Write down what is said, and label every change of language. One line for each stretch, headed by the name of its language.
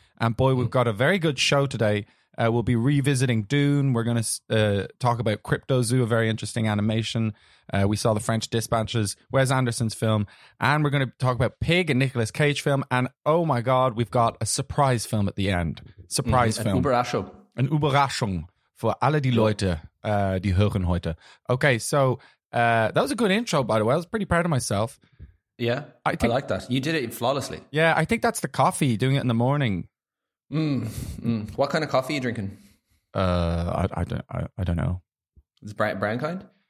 English: And boy, we've got a very good show today. We'll be revisiting Dune. We're going to talk about Cryptozoo, a very interesting animation. We saw The French Dispatches, Wes Anderson's film. And we're going to talk about Pig, a Nicolas Cage film. And oh my God, we've got a surprise film at the end. Surprise film.
German: An Überraschung für alle die Leute, die hören heute.
English: Okay, so that was a good intro, by the way. I was pretty proud of myself. Yeah, I like that. You did it flawlessly. Yeah, I think that's the coffee, doing it in the morning. What kind of coffee are you drinking? I don't know. It's brown kind?